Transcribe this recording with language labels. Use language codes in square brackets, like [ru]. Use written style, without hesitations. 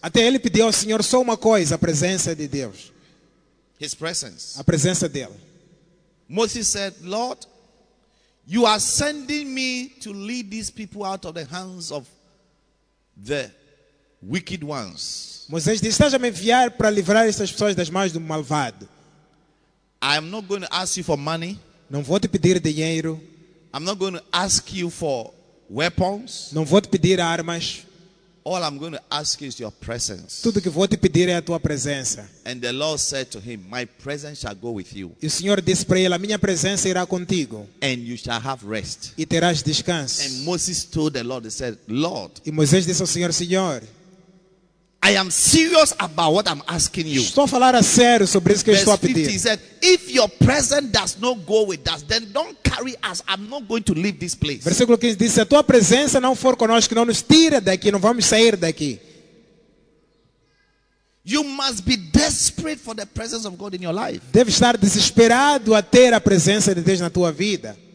[pt] Até ele pediu ao Senhor só uma coisa, a presença de Deus. [en] His presence. [pt] A presença dele. [en] Moses said, Lord, you are sending me to lead these people out of the hands of the wicked ones. [pt] Moisés disse, estás a me enviar para livrar essas pessoas das mãos do malvado. [en] I am not going to ask you for money. [pt] Não vou te pedir dinheiro. [en] I'm not going to ask you for weapons. [pt] Não vou te pedir armas. [en] All I'm going to ask is your presence. [pt] Tudo que vou te pedir é a tua presença. [en] And the Lord said to him, my presence shall go with you. [pt] E o Senhor disse para ele, a minha presença irá contigo. [en] And you shall have rest. [pt] E terás descanso. [en] And Moses told the Lord, he said, Lord. [pt] E Moisés disse ao Senhor, Senhor. [en] I am serious about what I'm asking you. [pt] Estou a falar a sério sobre isso que [en] verse [pt] estou a pedir. [en] 50, he said, if your presence does not go with us, then don't carry us. I'm not going to leave this place. [pt] Versículo 15 diz, se a tua presença não for conosco, não nos tira daqui, não vamos sair daqui. [en] You must be desperate for the presence of God in your life. [pt] Deve estar desesperado a ter a presença de Deus na tua vida.